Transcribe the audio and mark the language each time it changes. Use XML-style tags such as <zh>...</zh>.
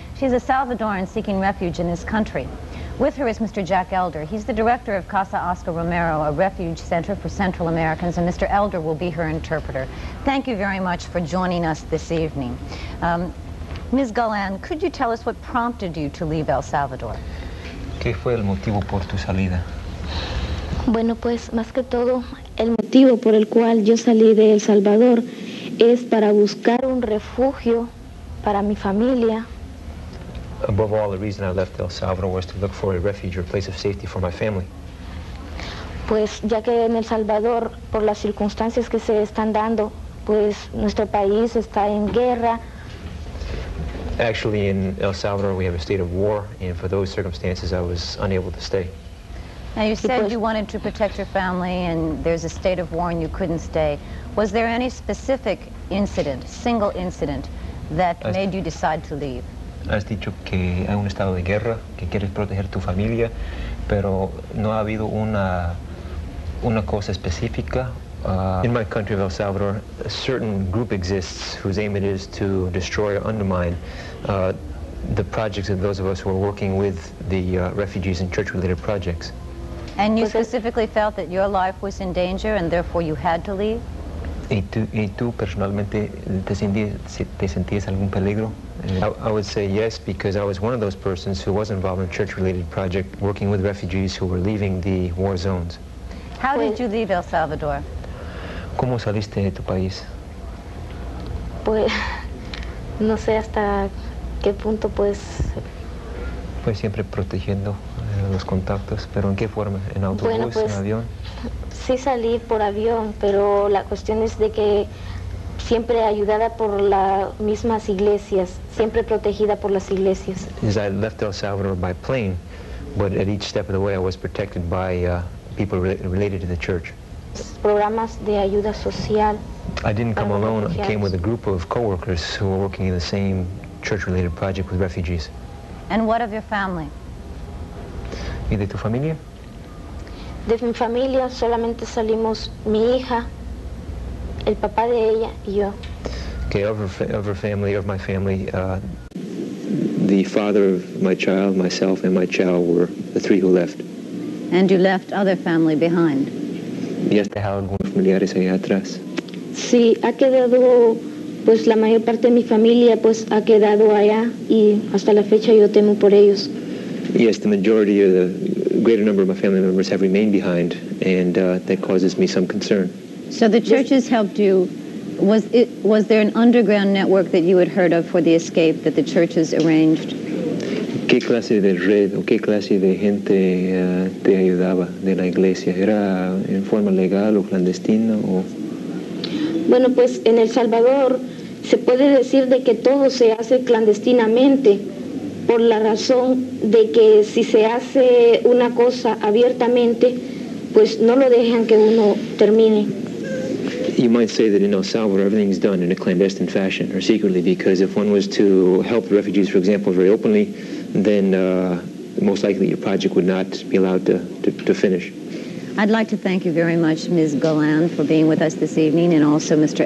<en>She's a Salvadoran seeking refuge in this country. With her is Mr. Jack Elder. He's the director of Casa Oscar Romero, a refuge center for Central Americans, and Mr. Elder will be her interpreter. Thank you very much for joining us this evening. Ms. Golan, could you tell us what prompted you to leave El Salvador?</en> <es>¿Qué fue el motivo por tu salida? Bueno, pues, más que todo, el motivo por el cual yo salí de El Salvador es para buscar un refugio para mi familia.</es> <en>Above all, the reason I left El Salvador was to look for a refuge or a place of safety for my family.</en> <es>Pues, ya que en El Salvador, por las circunstancias que se están dando, pues, nuestro país está en guerra.</es> <en>Actually, in El Salvador, we have a state of war, and for those circumstances, I was unable to stay. Now, you said you wanted to protect your family and there's a state of war and you couldn't stay. Was there any specific incident, single incident, that made you decide to leave?</en> <es>Has dicho que hay un estado de guerra, que quieres proteger tu familia, pero no ha habido una cosa específica.</es> <en>In my country of El Salvador, a certain group exists whose aim it is to destroy or undermine the projects of those of us who are working with the refugees and church-related projects. And you specifically felt that your life was in danger and therefore you had to leave?</en> <es>¿Y tú personalmente te sentías algún peligro</es> <en>I would say yes, because I was one of those persons who was involved in a church-related project working with refugees who were leaving the war zones. How did you leave El Salvador?</en> <es>¿Cómo saliste de tu país? Pues, no sé hasta qué punto, pues... Pues siempre protegiendo los contactos, pero ¿en qué forma? ¿En autobús, bueno, pues, en avión? Sí salí por avión, pero la cuestión es de que siempre ayudada por las mismas iglesias, siempre protegida por las iglesias.</es> <en>As I left El Salvador by plane, but at each step of the way I was protected by people related to the church.</en> <es>Programas de ayuda social.</es> <en>I didn't come alone, I came with a group of co-workers who were working in the same church-related project with refugees. And what of your family?</en> <es>¿Y de tu familia? De mi familia solamente salimos mi hija, el papá de ella y yo.</es> <en>Okay, of my family, the father of my child, myself, and my child were the three who left. And you left other family behind.</en> <es>¿Has dejado algunos familiares ahí atrás? Sí, ha quedado, pues la mayor parte de mi familia, pues ha quedado allá y hasta la fecha yo temo por ellos.</es> <en>Yes, the majority of the greater number of my family members have remained behind, and that causes me some concern. So the churches helped you. Was there an underground network that you had heard of for the escape that the churches arranged?</en> <es>¿Qué clase de red o qué clase de gente te ayudaba de la iglesia? ¿Era en forma legal o clandestina o...? Bueno, pues en El Salvador se puede decir de que todo se hace clandestinamente, por la razón de que si se hace una cosa abiertamente, pues no lo dejan que uno termine.</es> <en>You might say that in El Salvador everything is done in a clandestine fashion or secretly, because if one was to help the refugees, for example, very openly, then most likely your project would not be allowed to finish. I'd like to thank you very much, Ms. Golan, for being with us this evening, and also Mr.</en>